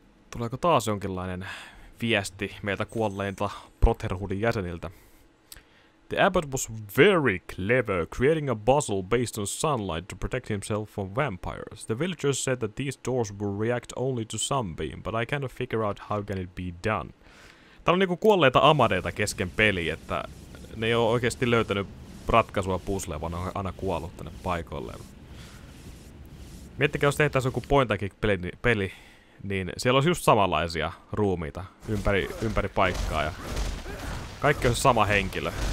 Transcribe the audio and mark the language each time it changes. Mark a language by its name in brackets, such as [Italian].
[Finnish] Tuleeko taas jonkinlainen viesti meiltä kuolleilta Brotherhoodin jäseniltä? [English] The abbot was very clever, creating a puzzle based on sunlight to protect himself from vampires. The villagers said that these doors will react only to sunbeam, but I cannot figure out how can it be done. [Finnish] Täällä on niinku kuolleita amadeita kesken peli, että ne ei oo oikeesti löytänyt ratkaisua puzzleen, vaan on aina kuollut tänne paikoilleen. Miettikää, jos tehtäis joku point and click peli, niin siellä olisi just samanlaisia ruumiita ympäri paikkaa ja kaikki on se sama henkilö.